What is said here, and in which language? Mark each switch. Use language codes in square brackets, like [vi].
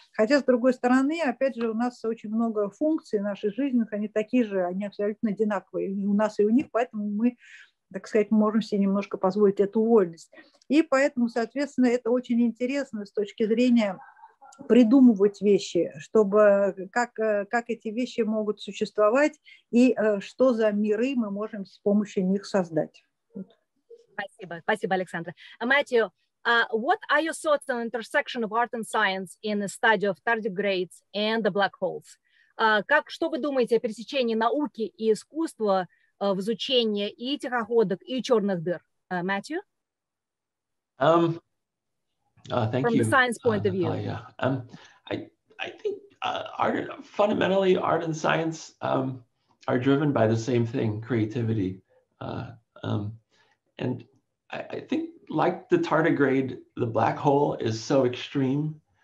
[ru] Хотя, с другой стороны, опять же, у нас очень много функций наших жизненных, они такие же, они абсолютно одинаковые у нас и у них, поэтому мы, так сказать, можем себе немножко позволить эту вольность. И поэтому, соответственно, это очень интересно с точки зрения придумывать вещи, чтобы как эти вещи могут существовать и что за миры мы можем с помощью них создать. Спасибо. Спасибо, Александра. [en] Matthew, what are your thoughts on the intersection of art and science in the study of tardigrades and the black holes? [ru] Что вы думаете о пересечении науки и искусства в изучении и тихоходок, и черных дыр? [en] Matthew? Thank From you. From the science point of view. I think fundamentally art and science are driven by the same thing, creativity. And I think, like the tardigrade, the black hole is so extreme.